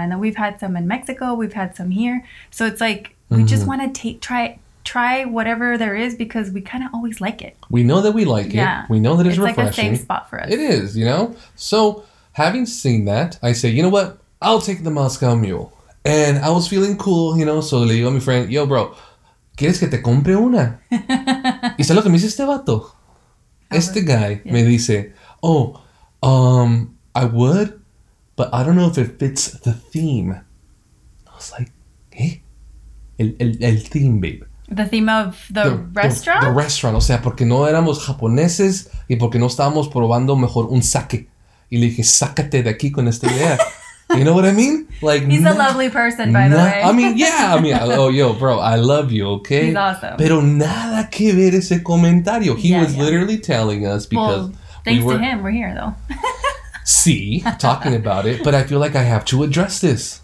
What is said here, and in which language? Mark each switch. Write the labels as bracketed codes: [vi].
[en] And then we've had some in Mexico, we've had some here. So it's like, we just want to try whatever there is, because we kind of always like it. We know that we like it. We know that it's refreshing. It's like a safe spot for us. It is, you know? So, having seen that, I say, you know what? I'll take the Moscow Mule. And I was feeling cool, you know? [es] So, le digo a mi friend, yo, bro, ¿quieres que te compre una? ¿Y sabes lo que me dice este vato? Me dice, [en] oh, I would, but I don't know if it fits the theme. I was like, ¿eh? El theme, babe. The theme of the restaurant? The restaurant. [es] O sea, porque no éramos japoneses y porque no estábamos probando mejor un sake. Y le dije, sácate de aquí con esta idea. [en] You know what I mean? Like, he's a lovely person, by the way. I mean, yeah. I mean, oh, yo, bro, I love you, okay? He's awesome. [es] Pero nada que ver ese comentario. [en] He was literally telling us because... Well, thanks to him, we're here, though. Sí, talking about it. But I feel like I have to address this.